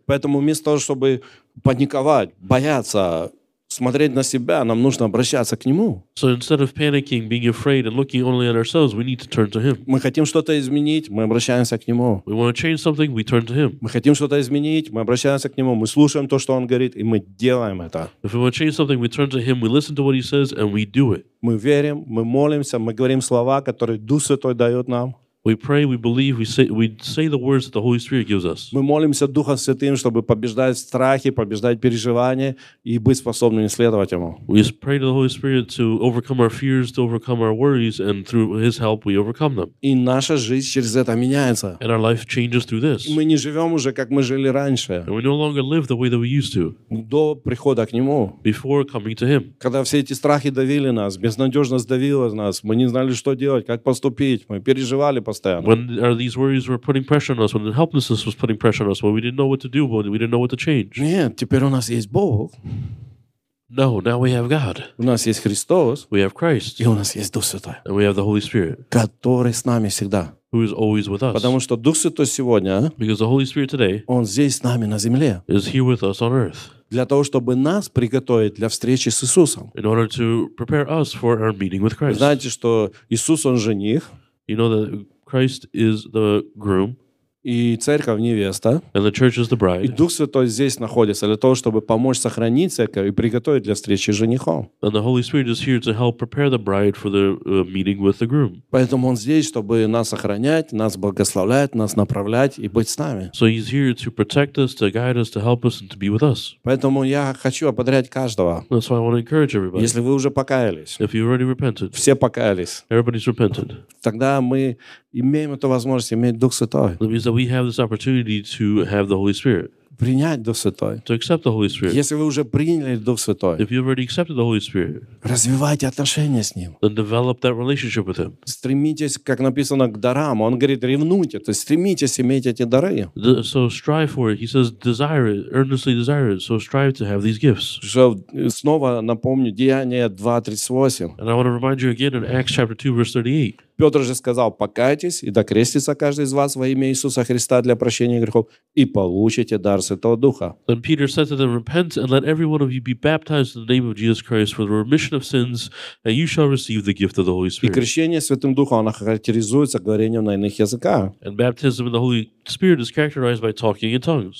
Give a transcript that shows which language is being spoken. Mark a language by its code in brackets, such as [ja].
[ru] Поэтому вместо того, чтобы паниковать, бояться, смотреть на себя, нам нужно обращаться к Нему. [en] So instead of panicking, being afraid and looking only at ourselves, we need to turn to Him. [ru] Мы хотим что-то изменить, мы обращаемся к Нему. [en] We want to change something, we turn to Him. [ru] Мы хотим что-то изменить, мы обращаемся к Нему, мы слушаем то, что Он говорит, и мы делаем это. [en] If we want to change something, we turn to Him, we listen to what He says, and we do it. [ru] Мы верим, мы молимся, мы говорим слова, которые Дух Святой дает нам. [en] We pray, we believe, we say the words that the Holy Spirit gives us. [ru] Мы молимся Духом Святым, чтобы побеждать страхи, побеждать переживания и быть способными следовать Ему. [en] We pray to the Holy Spirit to overcome our fears, to overcome our worries, and through His help we overcome them. [ru] И наша жизнь через это меняется. [en] And our life changes through this. [ru] Мы не живем уже, как мы жили раньше. [en] And we no longer live the way that we used to. [ru] До прихода к Нему. [en] Before coming to Him. [ru] Когда все эти страхи давили нас, безнадежность давила нас, мы не знали, что делать, как поступить, мы переживали. [en] When these worries were putting pressure on us, when the helplessness was putting pressure on us, when we didn't know what to do, when we didn't know what to change. [ru] Нет, теперь у нас есть Бог. [en] No, now we have God. [ru] У нас есть Христос. [en] We have Christ. [ru] И у нас есть Дух Святой. [en] And we have the Holy Spirit. [ru] Который с нами всегда. [en] Who is always with us. [ru] Потому что Дух Святой сегодня. [en] Because the Holy Spirit today. [ru] Он здесь с нами на земле. [en] Is here with us on earth. [ru] Для того, чтобы нас приготовить для встречи с Иисусом. [en] In order to prepare us for our meeting with Christ. [ru] Знаете, что Иисус, Он жених. [en] You know that Christ is the groom. [ru] И церковь невеста. [en] And the church is the bride. [ru] И Дух Святой здесь находится для того, чтобы помочь сохранить церковь и приготовить для встречи с женихом. [en] And the Holy Spirit is here to help prepare the bride for the meeting with the groom. [ru] Поэтому Он здесь, чтобы нас охранять, нас благословлять, нас направлять и быть с нами. [en] So He's here to protect us, to guide us, to help us, and to be with us. [ru] Поэтому я хочу ободрять каждого. [en] That's why I want to encourage everybody. [ru] Если вы уже покаялись. [en] If you already repented. [ru] Все покаялись. [en] Everybody's repented. [ru] Тогда мы имеем эту возможность иметь Дух Святой. [en] That means that we have this opportunity to have the Holy Spirit. [ru] Принять Дух Святой. [en] To accept the Holy Spirit. [ru] Если вы уже приняли Дух Святой. [en] If you've already accepted the Holy Spirit. [ru] Развивайте отношения с Ним. [en] Then develop that relationship with Him. [ru] Стремитесь, как написано, к дарам. Он говорит, ревнуйте. То есть стремитесь иметь эти дары. [en] So strive for it. He says, desire it. Earnestly desire it. So strive to have these gifts. [ru] So, снова напомню, Деяния 2:38. [en] And I want to remind you again in Acts chapter 2, verse 38. [ru] Петр же сказал, покайтесь и докрестится каждый из вас во имя Иисуса Христа для прощения грехов, и получите дар Святого Духа. [en] Then Peter said to them, repent and let every one of you be baptized in the name of Jesus Christ for the remission of sins, and you shall receive the gift of the Holy Spirit. [ru] И крещение Святым Духом, оно характеризуется говорением на иных языках. [en] And baptism in the Holy Spirit is characterized by talking in tongues.